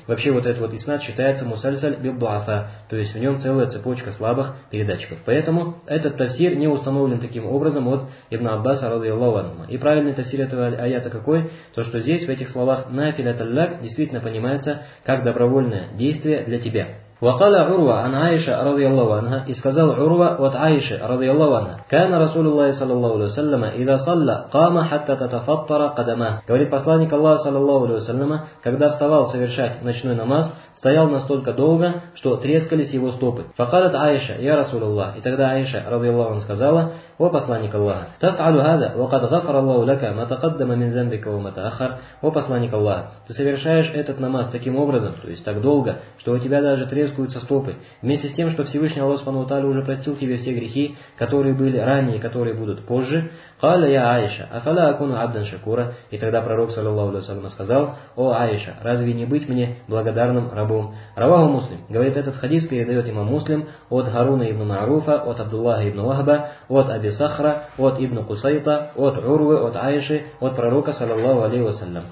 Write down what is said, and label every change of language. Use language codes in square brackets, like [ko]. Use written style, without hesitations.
[ru] Вообще вот этот вот иснад считается «мусальсаль билбаата», то есть в нем целая цепочка слабых передатчиков. Поэтому этот тафсир не установлен таким образом от Ибн Аббаса радиаллаху анху. И правильный тафсир этого аята какой? То, что здесь в этих словах «нафиля таллак» действительно понимается как добровольное действие для тебя. [ar] وقال عروة عن عائشة رضي الله عنها إسказал عروة от عائشة رضي الله عنها كان رسول الله صلى الله عليه وسلم إذا صلى قام حتى تتفطر قدماه. [ru] Говорит посланник Аллаха صلى الله عليه وسلم, когда вставал совершать ночной намаз, стоял настолько долго, что трескались его стопы. [ar] فقالت عائشة يا رسول الله. [ru] И тогда [ar] عائشة رضي الله عنها [ru] сказала: о посланник Аллаха, [ar] تفعل هذا وقد غفر الله لك ما تقدم من ذنبك وما تأخر. [ru] О посланник Аллаха, ты совершаешь этот намаз таким образом, то есть так долго, что у тебя даже трескаются стопы, вместе с тем, что Всевышний Аллах Субхану ва Тааля уже простил тебе все грехи, которые были ранее и которые будут позже. [ar] قال يا عائشة أفلا أكون عبدا شكورا. [ru] И тогда пророк саллаллаху алейхи ва саллям сказал: о Аиша, разве не быть мне благодарным рабом? Раваху Муслим. Говорит, этот хадис передает имам Муслим от Харуна ибн Маруфа, от Абдуллаха ибн Вахба, от Аби Сахра, от ибн Кусайта, от Урвы, от Аиши, от пророка саллаллаху алейхи ва саллям.